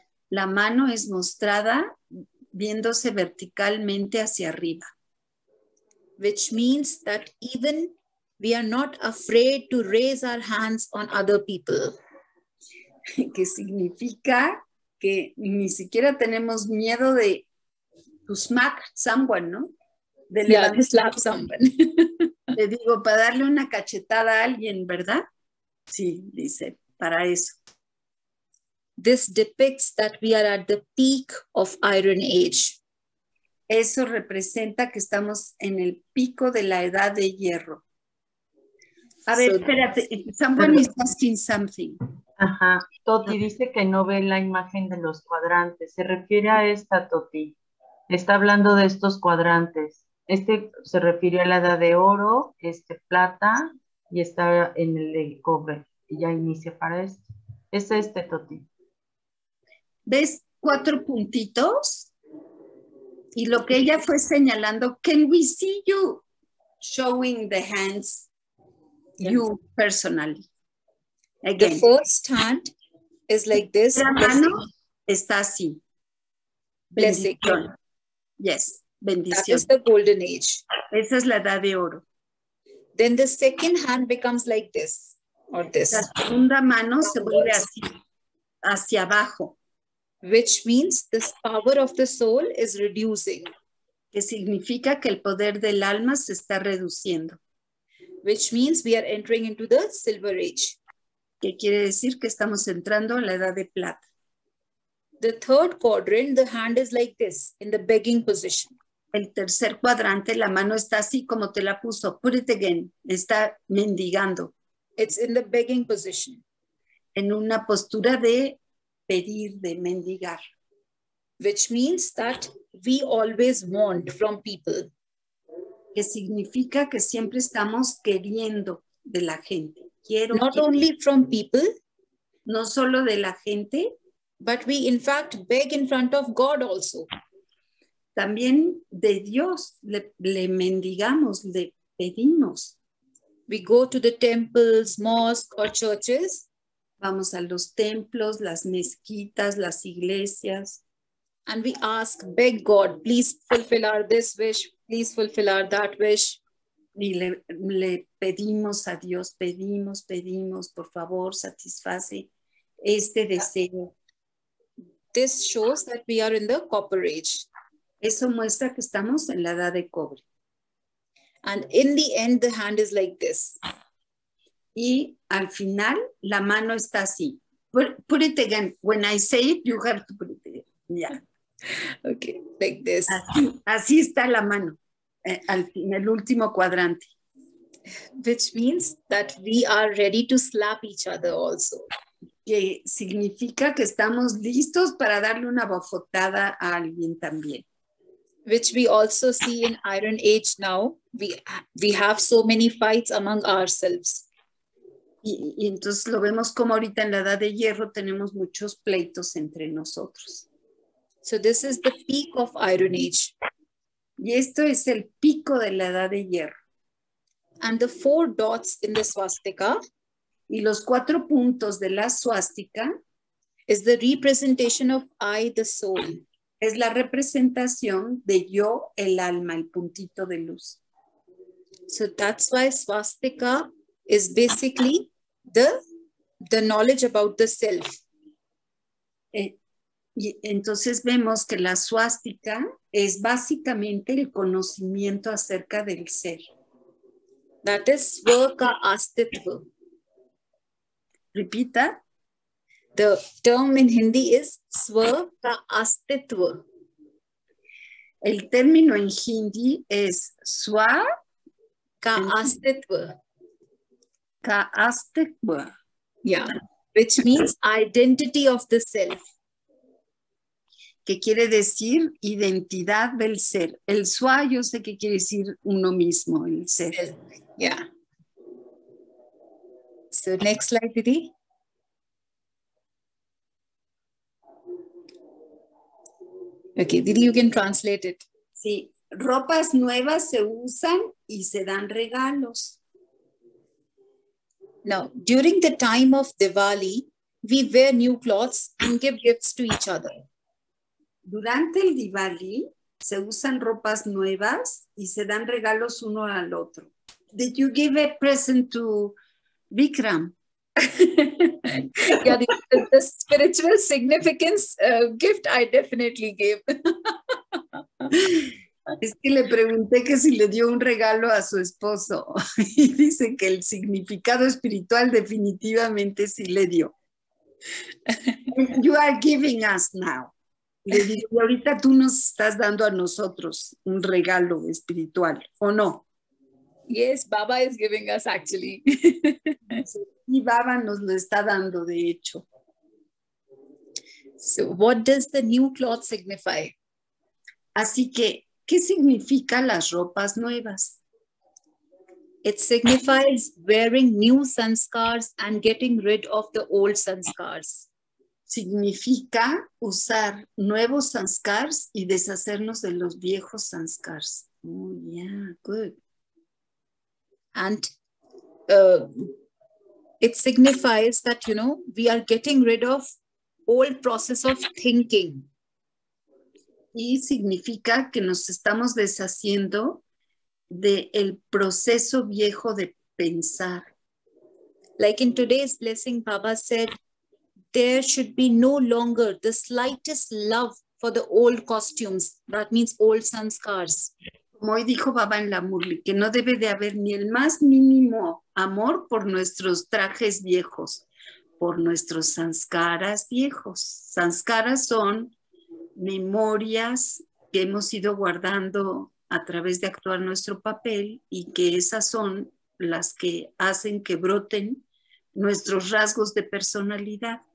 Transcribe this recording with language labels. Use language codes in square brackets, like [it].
[es] La mano es mostrada viéndose verticalmente hacia arriba. [en] Which means that even we are not afraid to raise our hands on other people. [es] Que significa que ni siquiera tenemos miedo de [en] to smack someone, [es] ¿no? De levantar, [en] slap someone. [es] Le digo, para darle una cachetada a alguien, ¿verdad? Sí, dice, para eso. [en] This depicts that we are at the peak of Iron Age. [es] Eso representa que estamos en el pico de la edad de hierro. A ver, espérate, [en] someone is asking something. [es] Ajá, Toti dice que no ve la imagen de los cuadrantes. Se refiere a esta, Toti. Está hablando de estos cuadrantes. Este se refiere a la edad de oro, este plata, y está en el cobre. Y ya inicia para esto. Es este, Toti. ¿Ves cuatro puntitos? Y lo que ella fue señalando, [en] can we see you showing the hands? You personally. Again. The first hand is like this. [es] La mano está así. [en] Blessing. [es] Yes. Bendición. [en] That is the golden age. [es] Esa es la edad de oro. [en] then the second hand becomes like this or this. [es] La segunda mano se vuelve así, hacia abajo. [en] Which means this power of the soul is reducing. [es] Que significa que el poder del alma se está reduciendo. [en] Which means we are entering into the silver age. [es] Que quiere decir que estamos entrando a la edad de plata. [en] The third quadrant, the hand is like this, in the begging position. [es] El tercer cuadrante, la mano está así como te la puso. [en] Put it again. [es] Está mendigando. [en] It's in the begging position. [es] En una postura de pedir, de mendigar. [en] Which means that we always want from people. [es] Que significa que siempre estamos queriendo de la gente. Quiero, [en] not [es] quiero. [en] Only from people. [es] No solo de la gente. [en] But we in fact beg in front of God also. [es] También de Dios le mendigamos, le pedimos. [en] We go to the temples, mosques or churches. [es] Vamos a los templos, las mezquitas, las iglesias. [en] And we ask, beg God, please fulfill our this wish, please fulfill our that wish. [es] Y le pedimos a Dios, pedimos, por favor, satisface este deseo. [en] This shows that we are in the copper age. [es] Eso muestra que estamos en la edad de cobre. [en] And in the end, the hand is like this. [es] Y al final, la mano está así. [en] Put it again. When I say it, you have to put it again. Yeah. Okay, like this. [es] Así está la mano. Al fin, el último cuadrante. [en] Which means that we are ready to slap each other also. [es] Que significa que estamos listos para darle una bofetada a alguien también. [en] Which we also see in Iron Age now. We have so many fights among ourselves. [es] Y entonces lo vemos como ahorita en la edad de hierro tenemos muchos pleitos entre nosotros. [en] So this is the peak of Iron Age. [es] Y esto es el pico de la edad de hierro. [en] And the four dots in the swastika. [es] Y los cuatro puntos de la swastika. [en] Is the representation of I, the soul. [es] Es la representación de yo, el alma, el puntito de luz. [en] So that's why swastika is basically the knowledge about the self. [es] Y entonces vemos que la swastika es básicamente el conocimiento acerca del ser. [en] That is svaka astitva. [es] Repita. [en] The term in Hindi is svaka astitva. [es] El término en Hindi es [hi] svaka astitva. Astitva. [en] Yeah, which means identity of the self. [es] Que quiere decir identidad del ser. El swa yo sé que quiere decir uno mismo, el ser. [en] Yeah. So next slide, Didi. Okay, Didi, you can translate it. [es] Sí, ropas nuevas se usan y se dan regalos. [en] Now, during the time of Diwali, we wear new clothes and give gifts to each other. [es] Durante el Diwali, se usan ropas nuevas y se dan regalos uno al otro. [en] Did you give a present to Vikram? Yeah, the spiritual significance gift I definitely gave. [es] Es que le pregunté que si le dio un regalo a su esposo y dice que el significado espiritual definitivamente sí le dio. [en] You are giving us now. [es] Le dije, ahorita tú nos estás dando a nosotros un regalo espiritual, ¿o no? [en] Yes, Baba is giving us actually. [es] Y Baba nos lo está dando de hecho. [en] So what does the new cloth signify? [es] Así que, ¿qué significa las ropas nuevas? [en] It signifies wearing new sanskars and getting rid of the old sanskars. [es] Significa usar nuevos sanskars y deshacernos de los viejos sanskars. [en] Oh, yeah, good. And it signifies that, you know, we are getting rid of old process of thinking. [es] Y significa que nos estamos deshaciendo de el proceso viejo de pensar. [en] Like in today's blessing, Baba said, there should be no longer the slightest love for the old costumes. That means old sanskars. [es] Como hoy dijo Baba en la Murli, que no debe de haber ni el más mínimo amor por nuestros trajes viejos, por nuestros sanskaras viejos. Sanskaras son memorias que hemos ido guardando a través de actuar nuestro papel y que esas son las que hacen que broten nuestros rasgos de personalidad.